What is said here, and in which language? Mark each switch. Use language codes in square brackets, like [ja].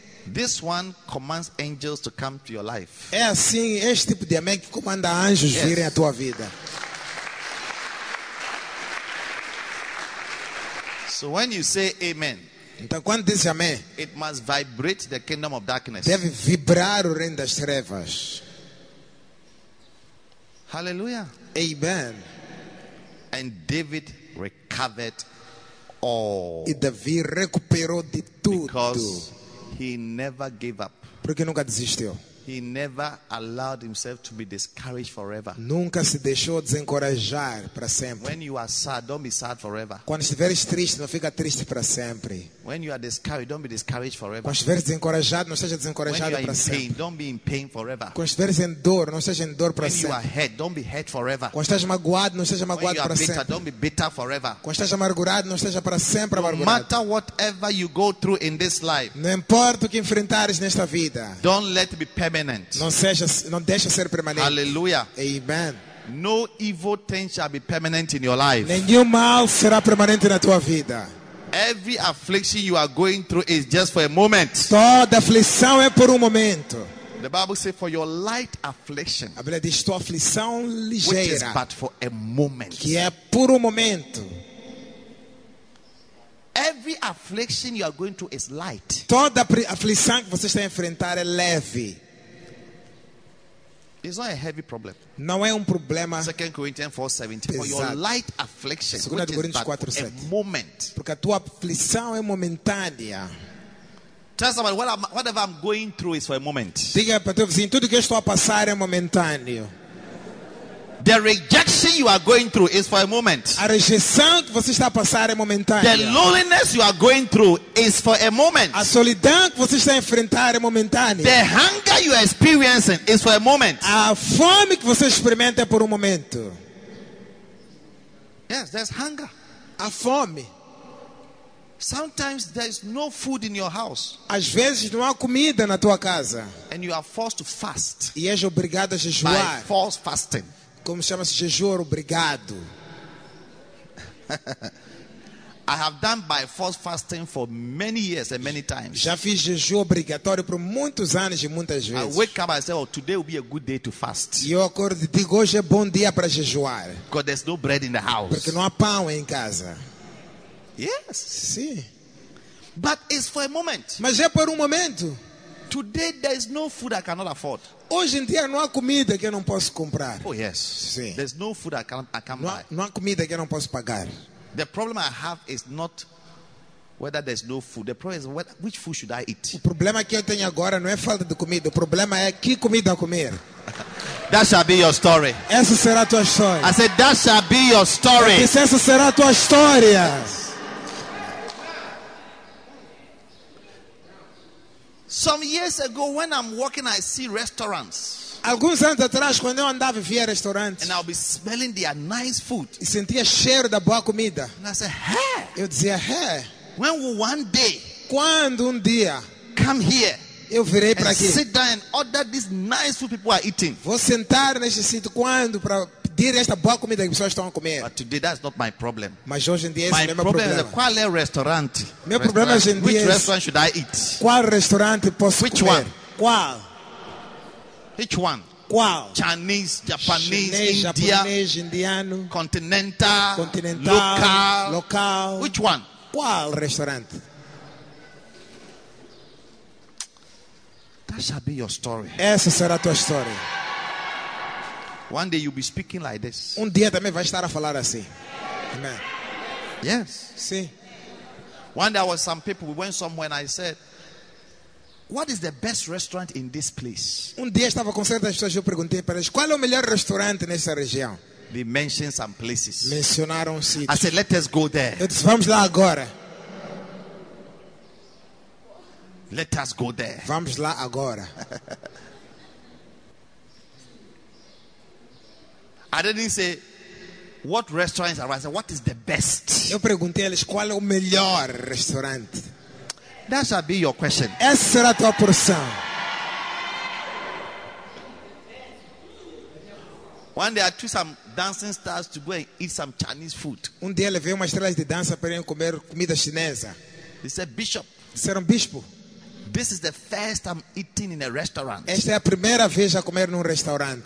[en] This one commands angels to come to your life. [pt] É assim, este tipo de amém que comanda anjos yes. virem à tua vida. [en] So when you say amen, [pt] então quando dizes amém, [en] it must vibrate the kingdom of darkness. [pt] Deve vibrar o reino das trevas. [en] Hallelujah. Amen. And David recovered all. [pt] E Davi recuperou de tudo. [en] Because he never gave up. [pt] Porque nunca desistiu. [en] He never allowed himself to be discouraged forever. [pt] Nunca se deixou desencorajar para sempre. [en] When you are sad, don't be sad forever. [pt] Quando estiveres triste, não fica triste para sempre. [en] When you are discouraged, don't be discouraged forever. [pt] Quando estiveres desencorajado, não seja desencorajado para sempre. [en] When you are in pain, don't be in pain forever. [pt] Quando estiveres em dor, não seja em dor para sempre. [en] When you are hurt, don't be hurt forever. [pt] Quando estás magoado, não seja magoado para sempre. [en] When you are bitter, don't be bitter forever. [pt] Quando estás amargurado, não seja para sempre amargurado. [en] No matter whatever you go through in this life, [pt] não importa o que enfrentares nesta vida. [en] Don't let it be permanent. [pt] Não deixa ser permanente. [en] Hallelujah. Amen. No evil thing shall be permanent in your life. [pt] Nenhum mal será permanente na tua vida. [en] Every affliction you are going through is just for a moment. [pt] Toda aflição é por momento. [en] The Bible says, "For your light affliction." [pt] A Bíblia diz, tua aflição ligeira, [en] which is but for a moment. [pt] Que é por momento. [en] Every affliction you are going through is light. [pt] Toda aflição que você está enfrentando é leve. [en] It's not a heavy problem. [pt] Não é problema. [en] 2 Corinthians 4:17. For your light affliction, [pt] Segunda Coríntios 4:7. [en] A moment. [pt] Porque a tua aflição é momentânea. [en] Tell somebody, whatever I'm going through is for a moment. [pt] Diga para teu vizinho, tudo que eu estou a passar é momentâneo. [en] The rejection you are going through is for a moment. [pt] A rejeição que você está a passar é momentânea. [en] The loneliness you are going through is for a moment. [pt] A solidão que você está a enfrentar é momentânea. [en] The hunger you are experiencing is for a moment. [pt] A fome que você experimenta é por momento. [en] Yes, there's hunger. [pt] A fome. [en] Sometimes there's no food in your house. [pt] Às vezes não há comida na tua casa. [en] And you are forced to fast. [pt] E és obrigado a jejuar. [en] By forced fasting. [pt] Como chama-se jejum obrigado? [en] I have done by forced fasting for many years and many times. [pt] Já fiz jejum obrigatório por muitos anos e muitas vezes. [en] I wake up and say, "Oh, today will be a good day to fast." [pt] E eu acordo e digo, hoje é bom dia para jejuar. [en] Because there's no bread in the house. [pt] Porque não há pão em casa. [en] Yes. [pt] Sim. [en] But it's for a moment. [pt] Mas é por momento. [en] Today there is no food I cannot afford. [pt] Hoje em dia não há comida que eu não posso comprar. [en] Oh yes. [pt] Sim. [en] There's no food I can [pt] não, [en] buy. [pt] Não há comida que eu não posso pagar. [en] The problem I have is not whether there's no food. The problem is which food should I eat? [pt] O problema que eu tenho agora não é falta de comida. O problema é que comida comer. [en] That shall be your story. [pt] Essa será tua história. [en] I said that shall be your story. [pt] Eu disse, essa será tua história. [en] Some years ago, when I'm walking, I see restaurants. [pt] Alguns anos atrás, quando eu andava e via restaurantes, [en] and I'll be smelling their nice food. [pt] E sentia cheiro da boa comida. [en] And I said, hey. [pt] Eu dizia, hey. [en] When will one day? [pt] Quando dia? [en] Come here. [pt] Eu virei para aqui. [en] Sit down and order this nice food people are eating. [pt] Vou sentar neste sítio quando para pedir esta boa comida que as pessoas estão a comer. [en] But today that's not my problem. [pt] Mas hoje em dia [en] my [pt] esse problem é qual é o restaurante? Meu problema hoje em dia [en] which restaurant should I eat? [pt] Qual restaurante posso [en] which [pt] comer? [en] One? [pt] Qual? [en] Which one? [pt] Qual? [en] Chinese, Japanese, Chinese, India, [pt] Japanese, Indiano, [en] Continental, [pt] Continental, [en] local, [pt] local. [en] Which one? [pt] Qual restaurante? [en] That shall be your story. [pt] Essa será tua história. [en] One day you'll be speaking like this. [pt] Um dia também vai estar a falar assim. [en] Amen. Yes. [pt] Sim. [en] One day I was some people, we went somewhere and I said, what is the best restaurant in this place? [pt] Um dia estava com certas pessoas e eu perguntei para eles, qual é o melhor restaurante nessa região? [en] They mentioned some places. [pt] Mencionaram um sítio. [en] I said, let us go there. [pt] Eu disse, vamos lá agora. [en] Let us go there. [pt] Vamos lá agora. [en] I didn't say what restaurants are. I said what is the best. [pt] Eu perguntei a eles qual é o melhor restaurante. [en] That shall be your question. [pt] Essa será tua porção. [en] One day I took some dancing stars to go and eat some Chinese food. [pt] Um dia levei umas estrelas de dança para ir comer comida chinesa. [en] They said bishop. [pt] Disseram bispo. [en] This is the first time eating in a restaurant. [pt] Esta é a primeira vez a comer num restaurante.